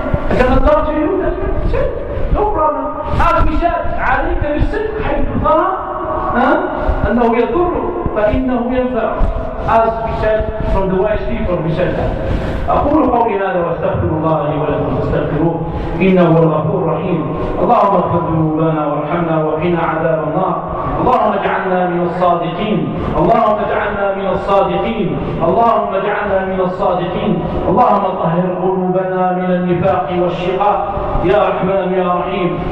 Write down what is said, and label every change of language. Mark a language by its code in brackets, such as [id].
[en] I cannot talk to you, that's it. No problem. As we said, [ar] عَلَيْكَ بِالصِّدْقِ حَيْثُ ظَهَرَ أَنَّهُ يَضُرُّ فَإِنَّهُ يَنْفَعُ. [en] As we said from the wise people, we said that. [ar] أقول قولي هذا واستغفر الله لي ولكم فاستغفروه إنه هو الغفور الرحيم. اللهم اغفر ذنوبنا وارحمنا وقنا عذاب النار. اللهم اجعلنا من الصادقين. اللهم اجعلنا من الصادقين. اللهم اجعلنا من الصادقين. اللهم طهر قلوبنا من النفاق والشقاق يا رحمن يا رحيم.